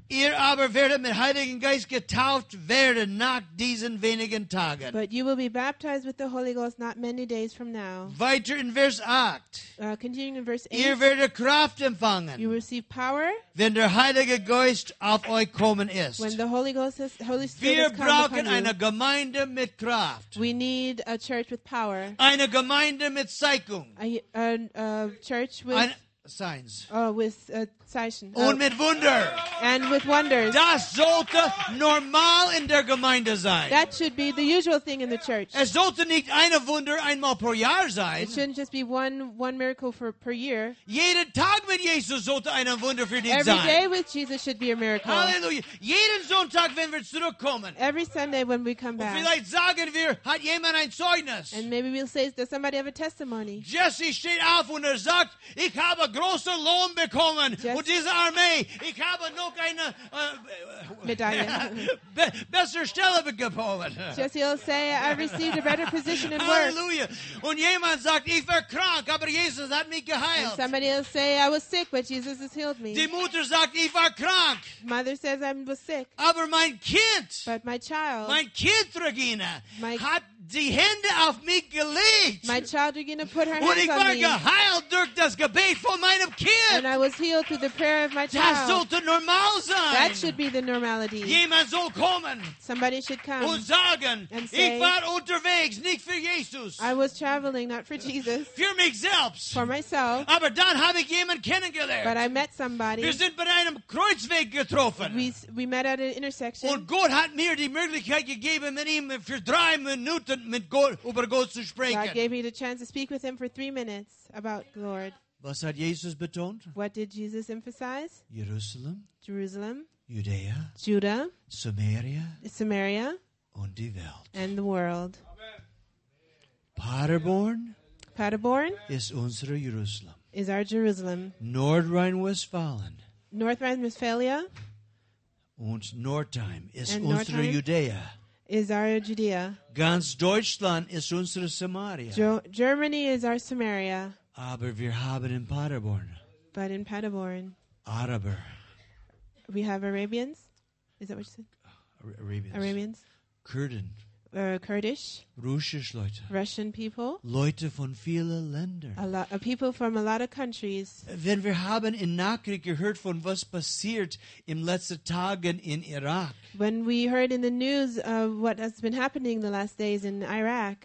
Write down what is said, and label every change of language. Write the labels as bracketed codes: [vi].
[de] Ihr aber werdet mit Heiligen Geist getauft werden nach diesen wenigen Tagen. [en] But you will be baptized with the Holy Ghost not many days from now. [de] Weiter in Vers 8. [en] Continuing in verse 8. [de] Ihr werdet Kraft empfangen. [en] You receive power. [de] Wenn der Heilige Geist auf euch kommen ist. [en] When the Holy Ghost has, Holy Spirit [de] Wir [en] has come [de] brauchen [en] upon [de] eine [en] you. [de] Gemeinde mit Kraft. [en] We need a church with power. [de] Eine Gemeinde mit Zeichen. [en] Church with signs. With [de] Zeichen. Und mit Wunder. [en] And with wonders. [de] Das sollte normal in der Gemeinde sein. [en] That should be the usual thing in the church. [de] Es sollte nicht eine Wunder einmal pro Jahr sein. [en] It shouldn't just be one miracle per year. [de] Jeden Tag mit Jesus sollte eine Wunder für dich [en] Every [de] sein. [en] Every day with Jesus should be a miracle. [de] Hallelujah. Jeden Sonntag, wenn wir zurückkommen. [en] Every Sunday when we come back. [de] Und vielleicht sagen wir, hat jemand ein Zeugnis? [en] And maybe we'll say, does somebody have a testimony? [de] Jesse steht auf und sagt, ich habe große Lohn bekommen und diese Armee. Ich habe noch eine Medaille. Besser Stelle bekommen. [en] Jesse will say, I received a better position in Hallelujah. Work. Hallelujah. [de] Und jemand sagt, ich war krank, aber Jesus hat mich geheilt. [en] And somebody will say, I was sick, but Jesus has healed me. [de] Die Mutter sagt, ich war krank. [en] Mother says, I was sick. [de] Aber mein Kind. [en] But my child. [de] Mein Kind, Regina, hat die Hände auf mich gelegt. [en] My child Regina put her [de] und [en] hands on me. [de] Und ich war geheilt durch das Gebet von meinem Kind. [en] And I was healed through the prayer of my child. [de] Das sollte normal sein. [en] That should be the normality. [de] Jemand soll kommen. [en] Somebody should come. [de] Und sagen, [en] and say, [de] ich war unterwegs, nicht für Jesus. [en] I was traveling, not for Jesus. [de] Für mich selbst. [en] For myself. [de] Aber dann habe ich jemanden kennengelernt. [en] But I met somebody. [de] Wir sind bei einem Kreuzweg getroffen. [en] We met at an intersection. [de] Und Gott hat mir die Möglichkeit gegeben, mit ihm für 3 Minuten mit Gott, über Gott zu sprechen. [en] God gave me the chance to speak with him for 3 minutes about the Lord. [de] Was hat Jesus betont? [en] What did Jesus emphasize? [de] Jerusalem. Judea. Judah. Samaria. Und die Welt. [en] And the world. [de] Paderborn. Ist unsere Jerusalem. [en] Is our Jerusalem. North Rhine-Westphalia. [de] Und Nordheim ist [en] and [de] unsere [en] Nordheim? [de] Judea. [en] Is our Judea. [de] Ganz Deutschland ist unsere Samaria. [en] Germany is our Samaria. [de] Aber wir haben in Paderborn. [en] But in Paderborn. [de] Araber. [en] We have Arabians. Is that what you said? Arabians. Arabians. [de] Kurden. [en] Kurdish. [de] Russisch Leute. [en] Russian people. [de] Leute von vielen Ländern. [en] People from a lot of countries. [de] Wenn wir haben in Nachrichten gehört von was passiert im letzten Tagen in Irak. [en] When we heard in the news of what has been happening the last days in Iraq.